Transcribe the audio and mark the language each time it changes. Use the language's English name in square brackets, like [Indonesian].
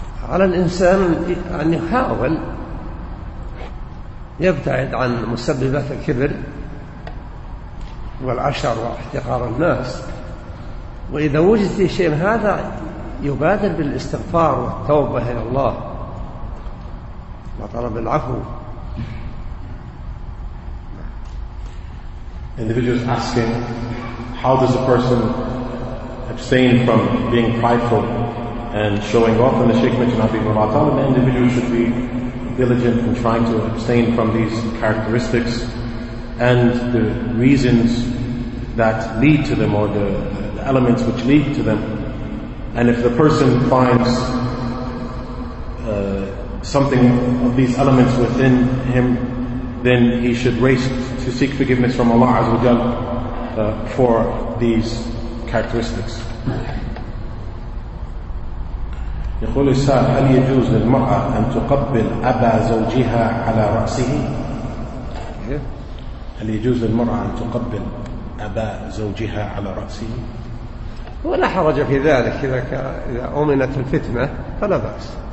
[Arabic] على الإنسان أن يحاول يبتعد عن مسببات الكبر والعشر واحتقار الناس وإذا وجد في شيء هذا يبادر بالاستغفار والتوبة إلى الله وطلب العفو. [English] Individuals asking, how does a person abstain from being prideful and showing off? And the Shaykh mentioned Habib al-Atal, the individual should be diligent in trying to abstain from these characteristics and the reasons that lead to them or the elements which lead to them. And if the person finds something of these elements within him, then he should race to seek forgiveness from Allah Azza wa Jal for these characteristics. [Arabic] يقول السائل هل يجوز للمرأة أن تقبل أبا زوجها على رأسه؟ هل يجوز للمرأة أن تقبل أبا زوجها على رأسه؟ ولا حرج في ذلك إذا أمنت الفتنة فلا بأس.